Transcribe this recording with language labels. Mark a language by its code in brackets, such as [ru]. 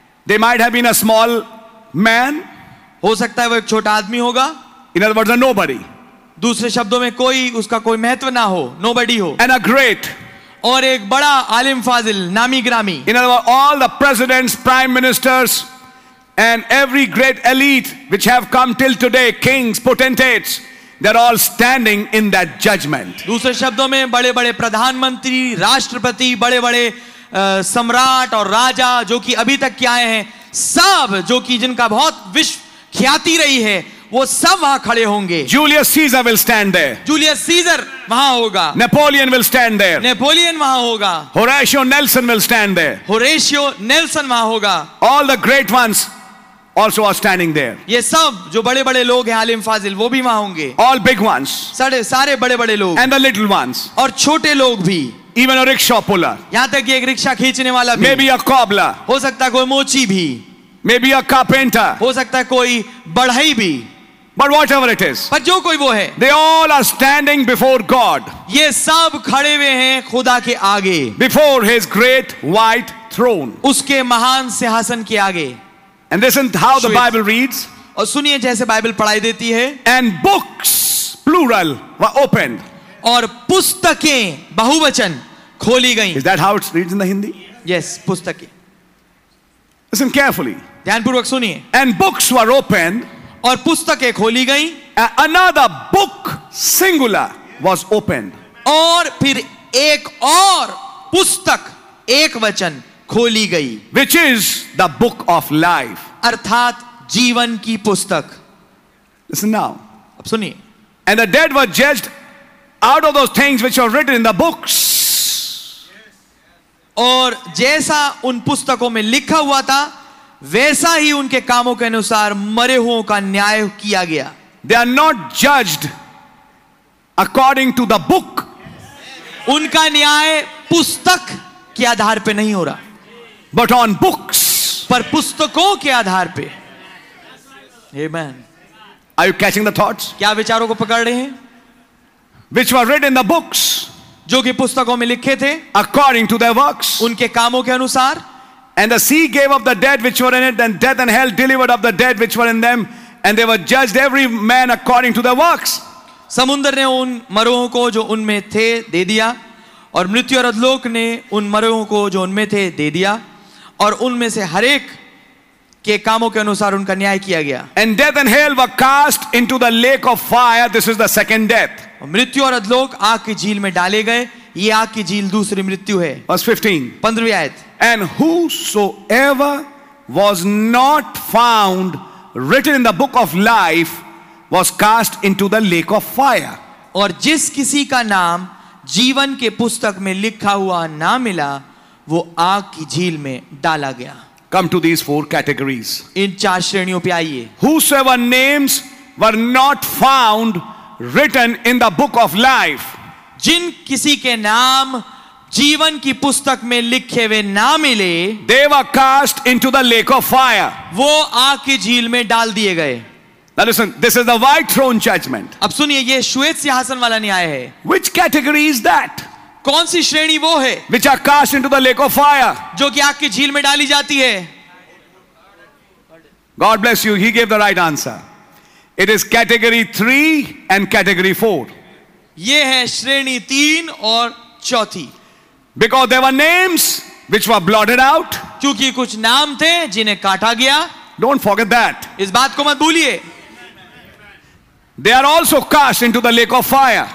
[en] They might have been a small man. [hi] हो सकता है वो एक छोटा आदमी होगा. [en] In other words, a nobody. [hi] दूसरे शब्दों में कोई उसका कोई महत्व ना हो. [en] Nobody [hi] हो. [en] And a great. [hi] और एक बड़ा आलिम फाजिल नामी ग्रामी. [en] In other words, all the presidents, prime ministers, and every great elite which have come till today, kings, potentates. They're all standing in that judgment. [hi] दूसरे शब्दों में बड़े-बड़े प्रधानमंत्री, राष्ट्रपति, बड़े-बड़े सम्राट और राजा जो कि अभी तक के आए हैं, सब जो कि जिनका बहुत विश्व ख्याति रही है, वो सब वहाँ खड़े होंगे. [en] Julius Caesar will stand there. [hi] Julius Caesar वहाँ होगा. [en] Napoleon will stand there. [hi] Napoleon वहाँ होगा. [en] Horatio Nelson will stand there. [hi] Horatio Nelson वहाँ होगा. [en] All the great ones. Also are standing there. [hi] ये सब जो बड़े बड़े लोग हैं आलिम फाजिल वो भी वहां होंगे. [en] All big ones. [hi] सारे बड़े बड़े लोग. [en] And the little ones. [hi] और छोटे लोग भी. [en] Even a rickshaw puller. [hi] यहां तक कि एक रिक्शा खींचने वाला भी. [en] Maybe a cobbler. [hi] हो सकता कोई मोची भी. [en] Maybe a carpenter. [hi] हो सकता कोई बढ़ई भी. [en] But whatever it is. [hi] पर जो कोई वो है. [en] They all are standing before God. [hi] ये सब खड़े हुए हैं खुदा के आगे. [en] Before his great white throne. [hi] उसके महान सिंहासन के आगे. [en] And listen to how the Bible reads. [hi] और सुनिए जैसे बाइबल पढ़ाई देती है. [en] And books, plural, were opened. [hi] और पुस्तकें बहुवचन खोली गईं. [en] Is that how it reads in the Hindi? Yes, [hi] पुस्तकें. [en] Listen carefully. [hi] ध्यानपूर्वक सुनिए. [en] And books were opened. [hi] और पुस्तकें खोली गईं. [en] Another book, singular, was opened. [hi] और फिर एक और पुस्तक, एक वचन. खोली गई. [en] which is the book of life [hi] अर्थात जीवन की पुस्तक. [en] Listen now. [hi] अब सुनिए. [en] And the dead were judged out of those things which were written in the books. [hi] और जैसा उन पुस्तकों में लिखा हुआ था वैसा ही उनके कामों के अनुसार मरे हुओं का न्याय किया गया. [en] they are not judged according to the book. [hi] उनका न्याय पुस्तक के आधार पे नहीं हो रहा, [en] but on books, [hi] पर पुस्तकों के आधार पे. Amen. [en] Are you catching the thoughts? [hi] क्या विचारों को पकड़ रहे हैं? [en] Which were written in the books, [hi] जो कि पुस्तकों में लिखे थे, [en] according to their works, [hi] उनके कामों के अनुसार. [en] And the sea gave up the dead which were in it, then death and hell delivered up the dead which were in them, and they were judged every man according to their works. [hi] समुद्र ने उन मरुओं को जो उनमें थे दे दिया, और मृत्यु और अधलोक ने उन मरुओं को जो उनमें थे दे दिया, और उनमें से हर एक के कामों के अनुसार उनका न्याय किया गया. [en] And death and hell were cast into the lake of fire. This is the second death. [hi] मृत्यु और अधलोक आग की झील में डाले गए. ये आग की झील दूसरी मृत्यु है. [en] Verse 15. [hi] 15वीं आयत. [en] And whosoever was not found written in the book of life was cast into the lake of fire. [hi] और जिस किसी का नाम जीवन के पुस्तक में लिखा हुआ ना मिला, वो आग की झील में डाला गया. [en] Come to these four categories. [hi] इन चार श्रेणियों पे आइए. [en] Whosoever names were not found written in the book of life. [hi] जिन किसी के नाम जीवन की पुस्तक में लिखे हुए ना मिले, [en] they were cast into the lake of fire. [hi] वो आग की झील में डाल दिए गए. [en] Now listen, this is the white throne judgment. [hi] अब सुनिए, ये श्वेत सिंहासन वाला न्याय है. [en] Which category is that? [hi] कौन सी श्रेणी वो है? [en] Which are cast into the lake of fire. [hi] जो कि आग की झील में डाली जाती है. [en] God bless you, he gave the right answer. It is category 3 and category 4. [hi] ये है श्रेणी 3 और 4. [en] Because there were names which were blotted out. [hi] क्योंकि कुछ नाम थे जिन्हें काटा गया. [en] Don't forget that. [hi] इस बात को मत भूलिए. [en] They are also cast into the lake of fire.